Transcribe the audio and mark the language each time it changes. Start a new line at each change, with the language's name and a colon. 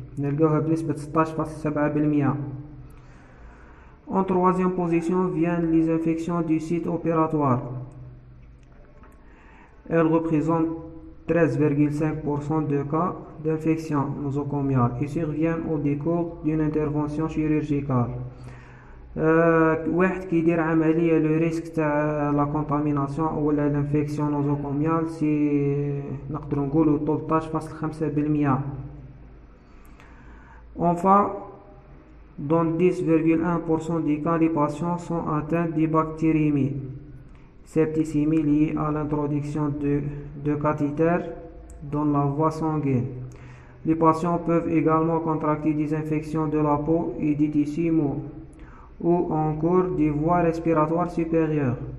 French: Nous avons une nisbet 16,7%. En troisième position viennent les infections du site opératoire. Elles représentent 13,5% des cas d'infection nosocomiale et surviennent au décours d'une intervention chirurgicale.
Arabic: واحد كي يدير عملية لو ريسك تاع لا كونتاميناسيون ولا الانفيكسيون نوزوكوميال سي نقدر نقولو 13.5%.
French: Enfin, dans 10,1% des cas, les patients sont atteints de bactériémie, septicémie liée à l'introduction de cathéters dans la voie sanguine. Les patients peuvent également contracter des infections de la peau et des tissus mous, ou encore des voies respiratoires supérieures.